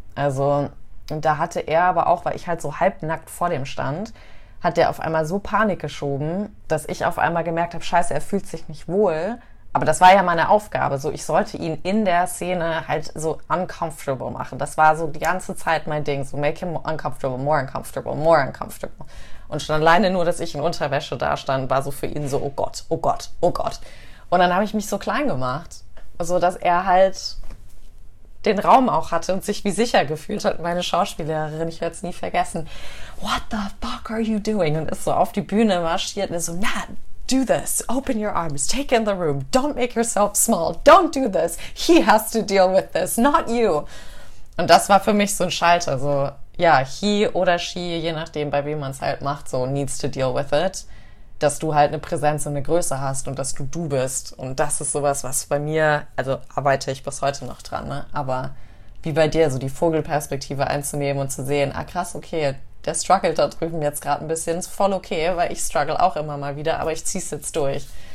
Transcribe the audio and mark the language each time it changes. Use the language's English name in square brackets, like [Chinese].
[German] Also, und da hatte er aber auch, weil ich halt so halbnackt vor dem stand, hat der auf einmal so Panik geschoben, dass ich auf einmal gemerkt habe, scheiße, er fühlt sich nicht wohl. Aber das war ja meine Aufgabe. So, ich sollte ihn in der Szene halt so uncomfortable machen. Das war so die ganze Zeit mein Ding. [English] So, make him uncomfortable, more uncomfortable, more uncomfortable. [German] Und schon alleine nur, dass ich in Unterwäsche da stand, war so für ihn so, oh Gott, oh Gott, oh Gott. Und dann habe ich mich so klein gemacht, so dass er halt den Raum auch hatte und sich wie sicher gefühlt hat. Meine Schauspiellehrerin, ich werde es nie vergessen, [English] what the fuck are you doing? [German] Und ist so auf die Bühne marschiert und ist so, Matt, [English] do this, open your arms, take in the room, don't make yourself small, don't do this, he has to deal with this, not you. [German] Und das war für mich so ein Schalter, so, ja, he oder she, je nachdem, bei wem man es halt macht, so, [English] needs to deal with it, [German] dass du halt eine Präsenz und eine Größe hast und dass du bist. Und das ist sowas, was bei mir, also arbeite ich bis heute noch dran, ne, aber wie bei dir, so die Vogelperspektive einzunehmen und zu sehen, ah krass, okay, der struggelt da drüben jetzt gerade ein bisschen, ist voll okay, weil ich struggle auch immer mal wieder, aber ich zieh's jetzt durch.